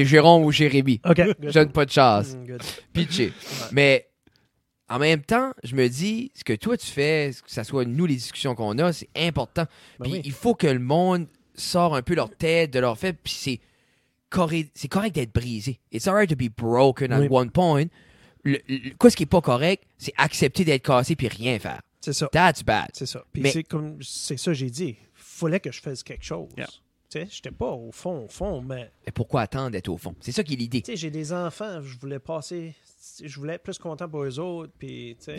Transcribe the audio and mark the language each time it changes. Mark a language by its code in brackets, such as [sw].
[fr] C'est Jérôme ou Jérémy. OK. Je n'ai pas de chance. [en] Good. [fr] Pitché. Ouais. Mais en même temps, je me dis, ce que toi, tu fais, que ce soit nous, les discussions qu'on a, c'est important. Puis il faut que le monde. Sort un peu leur tête de leur fait, puis c'est correct d'être brisé. [en] It's alright to be broken at one point. [fr] Qu'est-ce qui n'est pas correct, c'est accepter d'être cassé puis rien faire. C'est ça. [en] That's bad. [fr] C'est ça. Puis c'est ça que j'ai dit. Il fallait que je fasse quelque chose. [en] Yeah. [fr] Tu sais, j'étais pas au fond, mais. Mais pourquoi attendre d'être au fond? C'est ça qui est l'idée. Tu sais, j'ai des enfants, je voulais passer. Je voulais être plus content pour eux autres, puis tu sais.